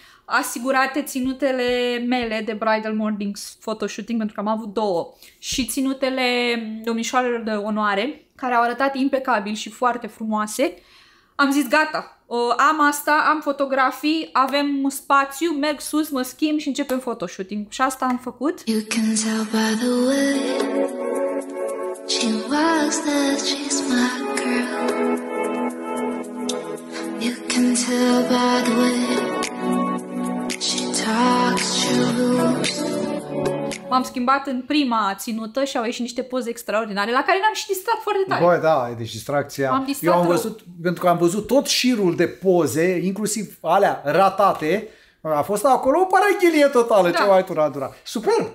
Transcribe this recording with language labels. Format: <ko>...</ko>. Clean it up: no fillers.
<ro>asigurate ținutele mele de Bridal Mornings photoshooting, pentru că am avut două, și ținutele domnișoarelor de onoare, care au arătat impecabil și foarte frumoase, am zis gata, am asta, am fotografii, avem spațiu, merg sus, mă schimb și începem photoshooting. Și asta am făcut.</ro> <en>You can tell by the way she walks that she's my girl. You can tell by the way she talks to you.</en> <ro>M-am schimbat în prima ținută și au ieșit niște poze extraordinare la care ne-am și distrat foarte tare. Băi, da, deci distracția. Eu am văzut, pentru că am văzut tot șirul de poze, inclusiv alea ratate, a fost acolo o paraghilie totală, da. Ce mai tura, dura. Super!</ro>